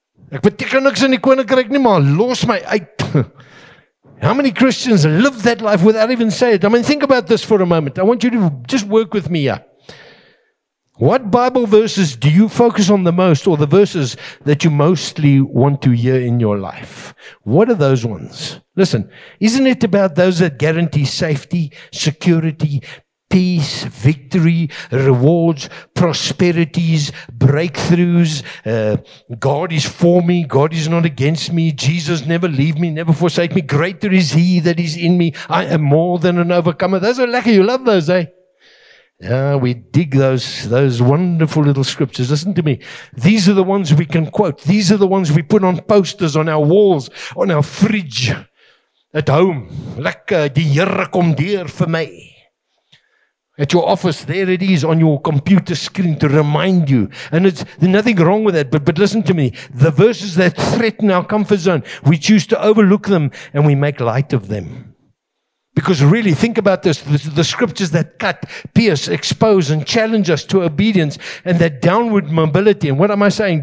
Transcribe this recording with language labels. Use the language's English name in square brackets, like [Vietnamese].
[Afrikaans] Ek beteken niks in die koninkryk nie, maar los my uit. [English] How many Christians live that life without even saying it? I mean, think about this for a moment. I want you to just work with me here. What Bible verses do you focus on the most, or the verses that you mostly want to hear in your life? What are those ones? Listen, isn't it about those that guarantee safety, security, peace, victory, rewards, prosperities, breakthroughs. God is for me. God is not against me. Jesus never leave me, never forsake me. Greater is He that is in me. I am more than an overcomer. Those are lucky. You love those, eh? Yeah, we dig those wonderful little scriptures. Listen to me. These are the ones we can quote. These are the ones we put on posters, on our walls, on our fridge, at home. [Afrikaans] Lekker, die Here kom deur vir my. [English] At your office, there it is on your computer screen to remind you. And there's nothing wrong with that, but listen to me. The verses that threaten our comfort zone, we choose to overlook them and we make light of them. Because really, think about this, the scriptures that cut, pierce, expose, and challenge us to obedience, and that downward mobility, and what am I saying?